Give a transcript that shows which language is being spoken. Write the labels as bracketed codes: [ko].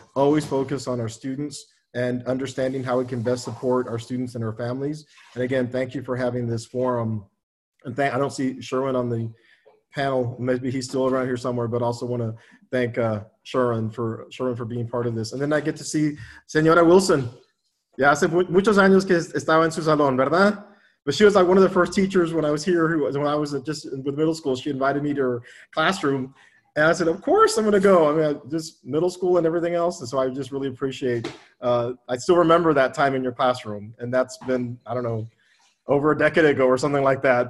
[en] Always focus on our students and understanding how we can best support our students and our families. And again, thank you for having this forum. And I don't see Sherwin on the panel. Maybe he's still around here somewhere, but also want to thank Sherwin for being part of this. And then I get to see Senora Wilson. [es] Ya hace muchos años que estaba en su salón, ¿verdad? [en] But she was like one of the first teachers when I was here, just with middle school. She invited me to her classroom. And I said, of course, I'm going to go. I mean, just middle school and everything else. And so I just really appreciate, I still remember that time in your classroom. And that's been, I don't know, over a decade ago or something like that.